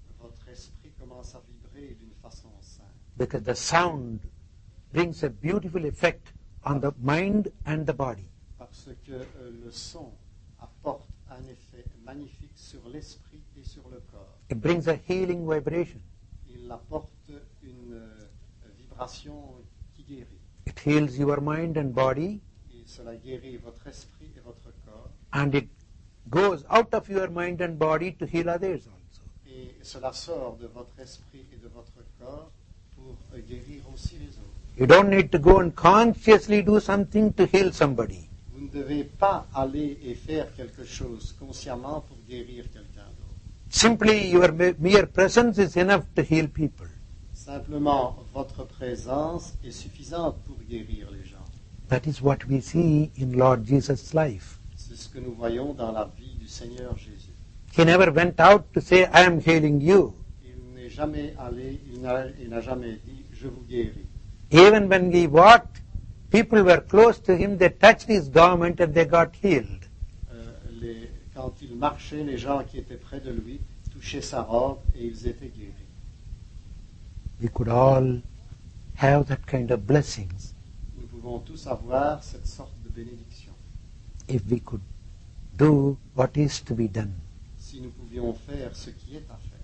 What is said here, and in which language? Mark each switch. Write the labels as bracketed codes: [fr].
[fr] Votre esprit commence à vibrer d'une façon sainte. [en] Because the sound brings a beautiful effect on the mind and the body. [fr] Parce que le son apporte un effet magnifique sur l'esprit et sur le corps. [en] It brings a healing vibration. [fr] Il apporte une vibration qui guérit. [en] It heals your mind and body. [fr] Et cela guérit votre esprit et votre corps. [en] And it goes out of your mind and body to heal others also. [fr] Et cela sort de votre esprit et de votre corps pour guérir aussi les autres. [en] You don't need to go and consciously do something to heal somebody. [fr] Vous ne devez pas aller et faire quelque chose consciemment pour guérir quelqu'un d'autre. [en] Simply your mere presence is enough to heal people. [fr] Simplement votre présence est suffisante pour guérir les gens. [en] That is what we see in Lord Jesus' life. [fr] C'est ce que nous voyons dans la vie du Seigneur Jésus. [en] He never went out to say, I am healing you. [fr] Il n'est jamais allé, il n'a jamais dit, je vous guéris. [en] Even when he walked, people were close to him, they touched his garment and they got healed. [fr] Quand il marchait, les gens qui étaient près de lui touchaient sa robe et ils étaient guéris. [en] We could all have that kind of blessings. [fr] Nous pouvons tous avoir cette sorte de bénédiction. [en] If we could do what is to be done. [fr] Si nous pouvions faire ce qui est à faire.